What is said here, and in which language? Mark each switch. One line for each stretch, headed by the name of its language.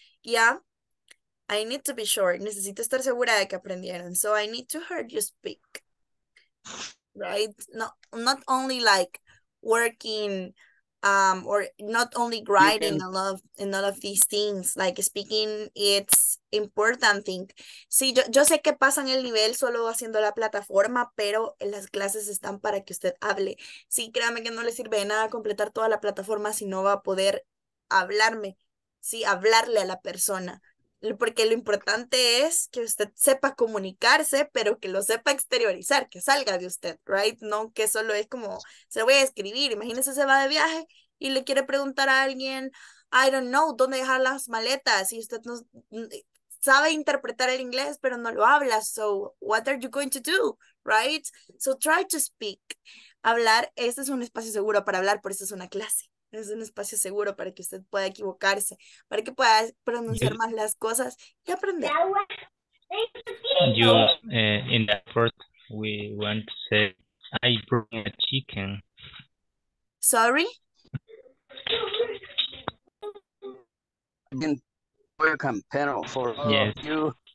English: Yeah, I need to be sure. Necesito estar segura de que aprendieron. So I need to hear you speak. Right? Not only like working, or not only writing a lot of these things, like speaking, it's important thing.
Spanish: Sí, yo sé que pasan el nivel solo haciendo la plataforma, pero en las clases están para que usted hable. Sí, créame que no le sirve de nada completar toda la plataforma si no va a poder hablarme, sí, hablarle a la persona. Porque lo importante es que usted sepa comunicarse, pero que lo sepa exteriorizar, que salga de usted, right? No que solo es como, se lo voy a escribir. Imagínese, se va de viaje y le quiere preguntar a alguien, I don't know, ¿dónde dejar las maletas? Y usted no sabe interpretar el inglés, pero no lo habla.
English: So, what are you going to do, right? So, try to speak.
Spanish: Hablar, este es un espacio seguro para hablar, por eso es una clase. Es un espacio seguro para que usted pueda equivocarse, para que pueda pronunciar más las cosas y aprender.
English: You, in the first, we want to say, I brought a chicken. Sorry? Welcome, panel, for yes. You.